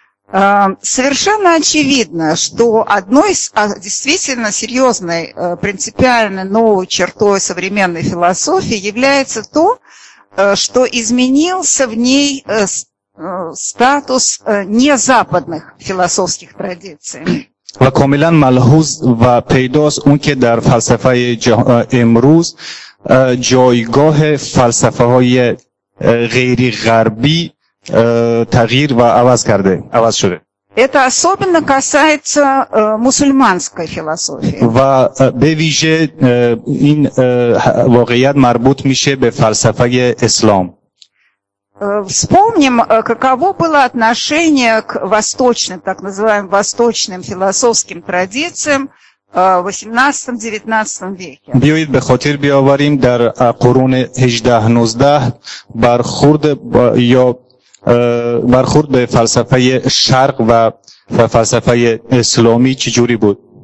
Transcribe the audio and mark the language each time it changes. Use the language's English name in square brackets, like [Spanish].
[Russian] Совершенно очевидно, что одной из действительно серьезной, принципиально новой чертой современной философии является то, что изменился в ней статус незападных философских традиций. [Persian] و کاملا ملحوظ و پیداست اون که در فلسفه امروز جایگاه فلسفه های غیر غربی تغییر و عوض کرده عوض شده [Russian] это особенно касается мусульманской философии [Persian] و به ویژه این واقعیت مربوط میشه به فلسفه اسلام [Russian] Вспомним, каково было отношение к восточным, так называемым восточным философским традициям в 18-19 веке. [Tajik] Биоид бе хотир биоварим дар куруне 18-19 бархурд ё бархурд бе фалсафае шарк ва фалсафае ислами чиджури буд?